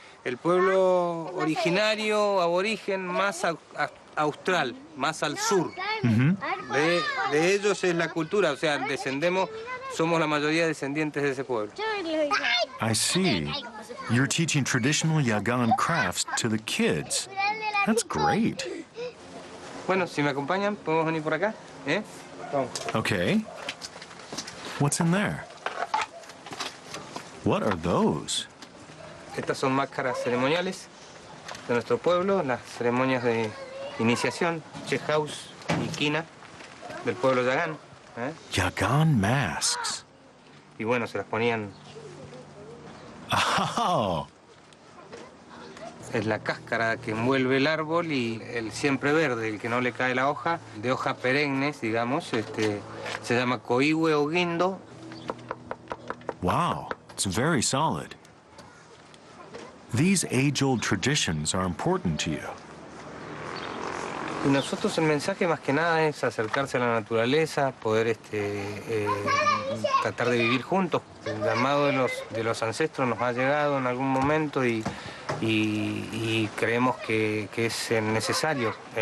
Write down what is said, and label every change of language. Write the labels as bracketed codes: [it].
[es] El pueblo originario aborigen más austral, más al sur. Mm-hmm. De ellos es la cultura, o sea, descendemos, somos la mayoría descendientes de ese pueblo. [en] I see. You're teaching traditional Yagan crafts to the kids. That's great. [es] Bueno, si me acompañan, podemos venir por acá. [en] Okay. What's in there? What are those? [es] Estas son máscaras ceremoniales de nuestro pueblo, las ceremonias de iniciación, Chehaus y Kina, del pueblo Yagan. [en] Yagan masks. [es] Y bueno, se las ponían... Oh! Es la cáscara que envuelve el árbol y el siempre verde, el que no le cae la hoja, de hoja perennes, digamos, se llama coihue o guindo. [en] Wow, it's very solid. These age-old traditions are important to you. [es] Y nosotros el mensaje más que nada es acercarse a la naturaleza, poder tratar de vivir juntos. El llamado de los ancestros nos ha llegado en algún momento y creemos que es necesario.